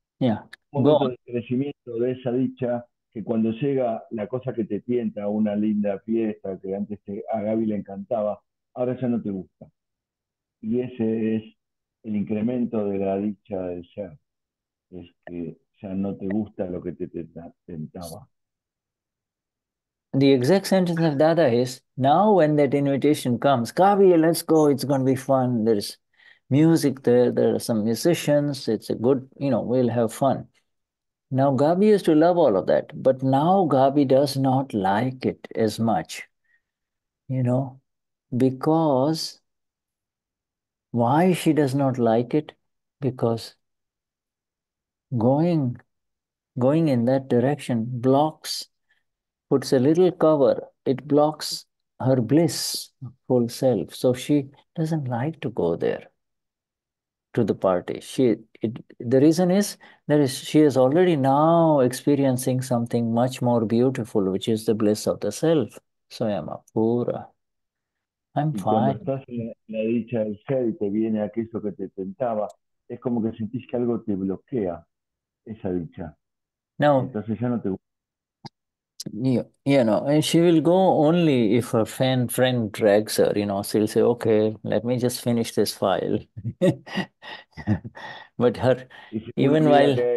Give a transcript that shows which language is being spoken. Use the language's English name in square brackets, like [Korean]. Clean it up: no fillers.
[Spanish] crecimiento de esa dicha que cuando llega la cosa que te tienta, una linda fiesta que antes a Gaby le encantaba, ahora ya no te gusta. Y ese es el incremento de la dicha del ser. Es que ya no te gusta lo que te tentaba. [English] The exact sentence of Dada is, now when that invitation comes, Kavi, let's go, it's going to be fun. There's music there, there are some musicians, it's a good, you know, we'll have fun. Now, Gabi used to love all of that, but now Gabi does not like it as much, you know, because why she does not like it? Because going in that direction blocks, puts a little cover, it blocks her bliss, full self. So she doesn't like to go there, to the party. She is already now experiencing something much more beautiful, which is the bliss of the self. So I am a pura. I'm fine. [Spanish] Cuando estás en la dicha del ser y te viene aquello que te tentaba, es como que sentís que algo te bloquea esa dicha. No. Entonces ya no te gusta. [English] You know, and she will go only if her friend drags her, you know, she'll say, okay, let me just finish this file. But her, even while...